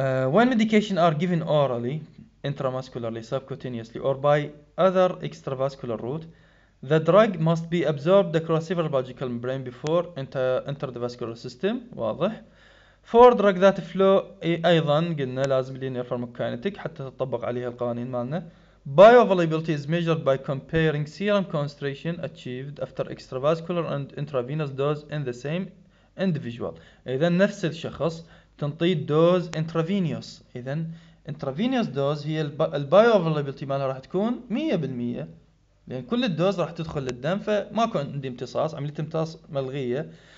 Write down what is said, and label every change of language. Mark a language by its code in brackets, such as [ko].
[en] When medication are given orally intramuscularly subcutaneously or by other extravascular route the drug must be absorbed across several biological membrane before enter the vascular system. [ar] واضح. For drug that flow ايضا قلنا لازم linear pharmacokinetic حتى تطبق عليها القوانين مالنا. [en] Bioavailability is measured by comparing serum concentration achieved after extravascular and intravenous dose in the same individual. [ar] اذا نفس الشخص تنطي دوز intravenous. اذا intravenous dose هي البايوافيلابيلتي مالها راح تكون 100%. لان كل الدوز راح تدخل للدم فماكو عندي امتصاص، عملية امتصاص ملغية.